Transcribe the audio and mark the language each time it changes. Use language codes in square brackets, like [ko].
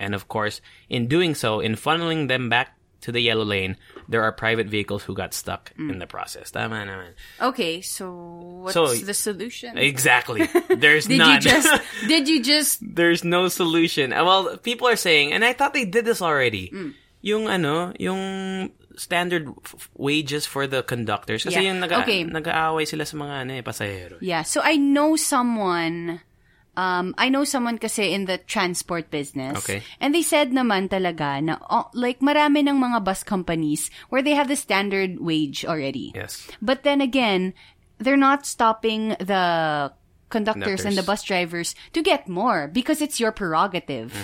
[en] And of course, in doing so, in funneling them back to the yellow lane, there are private vehicles who got stuck in the process. [tl] Tama naman. [en] Okay, so what's the solution? Exactly. There's none. Did you just... There's no solution. Well, people are saying, and I thought they did this already, [tl] yung [en] standard wages for the conductors. [tl] Kasi yung nag-aaway sila sa mga pasahero. [en] Yeah, so I know someone... I know someone [tl] kasi [en] in the transport business. Okay. And they said [tl] naman talaga na [en] like [tl] marami ng mga [en] bus companies where they have the standard wage already. Yes. But then again, they're not stopping the conductors and the bus drivers to get more because it's your prerogative.